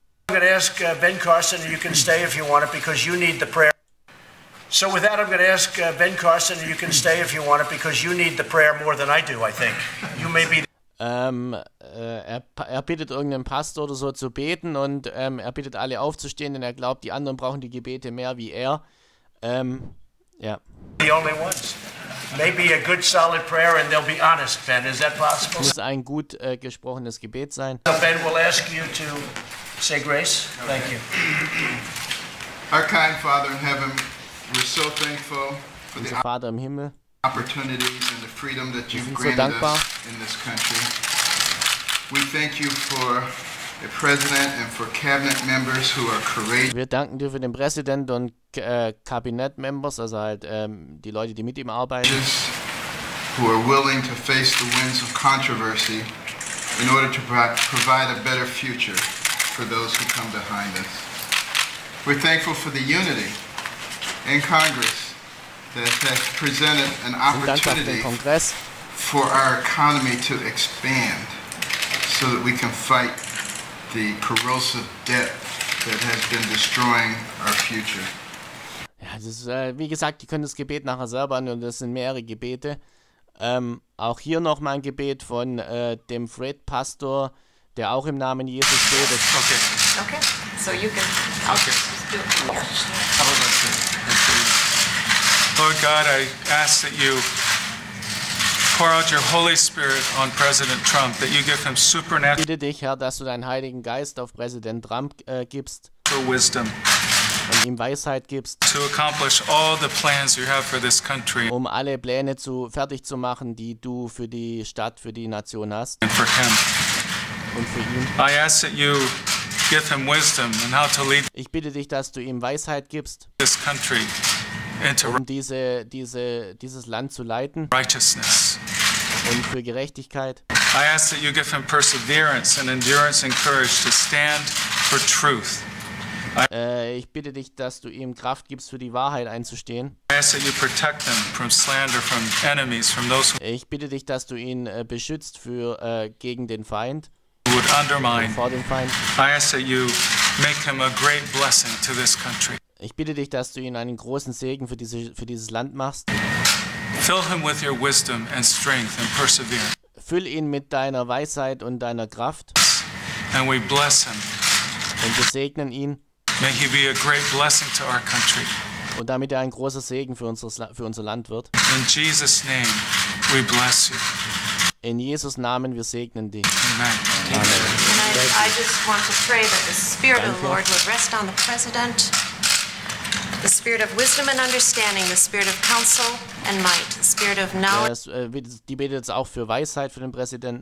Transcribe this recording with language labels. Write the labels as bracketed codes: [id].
[en] I'm going to ask Ben Carson, and you can stay if you want it, because you need the prayer. So with that, I'm going to ask Ben Carson, and you can stay if you want it, because you need the prayer more than I do, I think. You may be. [de] Er bittet irgendeinen Pastor oder so zu beten, und er bittet alle aufzustehen, denn er glaubt, die anderen brauchen die Gebete mehr wie er. [en] The only ones. Maybe a good solid prayer and they'll be honest, Ben. Is that possible? [de] Muss ein gut gesprochenes Gebet sein. [en] So Ben will ask you to say grace. Okay. Thank you. Our kind Father in heaven, we're so thankful for [de] the Vater im Himmel. [en] Opportunities and the freedom that you've granted so us in this country. We thank you for the president and for cabinet members who are courageous. [de] Wir danken dir für den Präsident und [en] Cabinet members, [de] also halt die Leute, die mit ihm arbeiten. [en] Who are willing to face the winds of controversy in order to provide a better future for those who come behind us. We're thankful for the unity in Congress that has presented an opportunity for our economy to expand so that we can fight the corrosive debt that has been destroying our future. [de] Ja, das ist, wie gesagt, ihr könnt das Gebet nachher selber anhören, das sind mehrere Gebete. Auch hier nochmal ein Gebet von dem Fred Pastor, der auch im Namen Jesus steht. [en] Okay. Okay, so you can. Okay. Just do it from here. How about that? Lord God, I ask that you pour out your Holy Spirit on President Trump, that you give him supernatural. [de] Bitte dich, Herr, dass du deinen Heiligen Geist auf Präsident Trump gibst. [en] For wisdom. [de] Und ihm Weisheit gibst, [en] to accomplish all the plans you have for this country, [de] um alle Pläne zu fertig zu machen, die du für die Stadt, für die Nation hast. [en] And for him. [de] Und für ihn. [en] I ask that you give him wisdom and how to lead. [de] Ich bitte dich, dass du ihm Weisheit gibst, [en] this country, [de] um dieses Land zu leiten. [en] Righteousness. [de] Und für Gerechtigkeit. [en] I ask that you give him perseverance and endurance and courage to stand for truth. [de] Ich bitte dich, dass du ihm Kraft gibst, für die Wahrheit einzustehen. Ich bitte dich, dass du ihn beschützt für gegen den Feind. [en] Would undermine. [de] Vor dem Feind. [en] I ask that you make him a great blessing to this country. [de] Ich bitte dich, dass du ihn einen großen Segen für dieses Land machst. [en] Fill him with your wisdom and strength and perseverance. [de] Füll ihn mit deiner Weisheit und deiner Kraft. [en] And we bless him. [de] Und wir segnen ihn. [en] May he be a great blessing to our country. [de] und damit er ein großer Segen für unser Land wird. [en] In Jesus' name, we bless you. [de] In Jesus' Namen, wir segnen dich. [en] Amen. [de] Amen. [en] I just want to pray that the Spirit of the Lord would rest on the President, the Spirit of wisdom and understanding, the Spirit of counsel and might, the Spirit of knowledge. [de] Die betet jetzt auch für Weisheit für den Präsidenten.